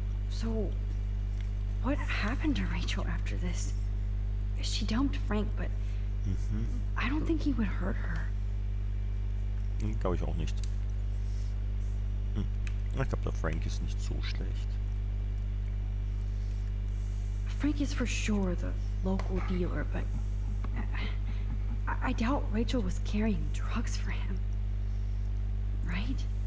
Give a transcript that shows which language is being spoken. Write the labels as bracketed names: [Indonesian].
[English] So, what happened to Rachel after this? She dumped Frank, but I don't think he would hurt her. [German] Glaube ich auch nicht. Ich glaube, der Frank ist nicht so schlecht. [English] Frank is for sure the local dealer, but I doubt Rachel was carrying drugs for him. Right?